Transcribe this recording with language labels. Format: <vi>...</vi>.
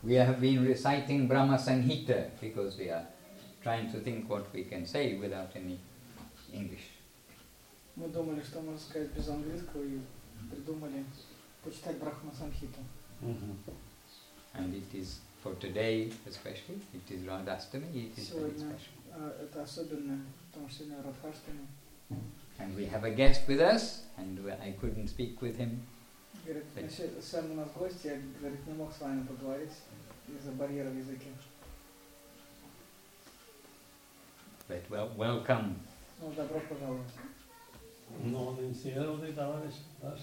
<en>We have been reciting Brahma Sanhita because we are trying to think what we can say without any English.</en> <ru>Мы думали, что можно сказать без английского, и придумали почитать Брахма Санхиту.</ru> <en>And it is for today especially, it is Radhashtami, it is</en> <ru>сегодня,</ru> <en>very special.</en> <ru>Это особенное, потому что сегодня Радхаштами.</ru> <en>And we have a guest with us, and I couldn't speak with him.</en> <ru>Говорит, сам у нас гость, я, говорит, не мог с вами поговорить из-за барьера в языке.</ru> <en>But welcome.</en> <ru>Ну, добро пожаловать. Но он инициированный товарищ, да?</ru>